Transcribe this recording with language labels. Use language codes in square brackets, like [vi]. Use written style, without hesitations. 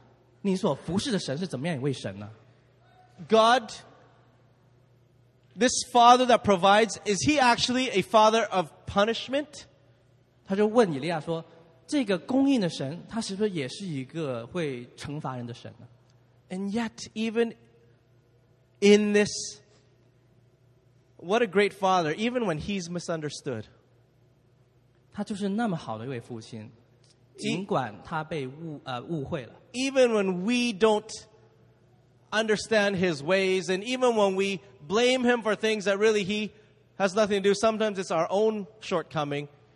[zh] 就在这样的时候，过去几年的那个丰盛的供应的时候，遇到她儿子死亡，她就转向她，转向以利亚说：“你所服侍的神是怎么样一位神呢？” [en] God, this father that provides, is he actually a father of punishment? [zh] 他就问以利亚说，这个供应的神，他是不是也是一个会惩罚人的神呢？ [en] And yet, even in this, what a great father, even when he's misunderstood. [zh] 他就是那么好的一位父亲，尽管他被误会了。 [en] Even when we don't understand his ways, and even when we blame him for things that really he has nothing to do, sometimes it's our own shortcoming.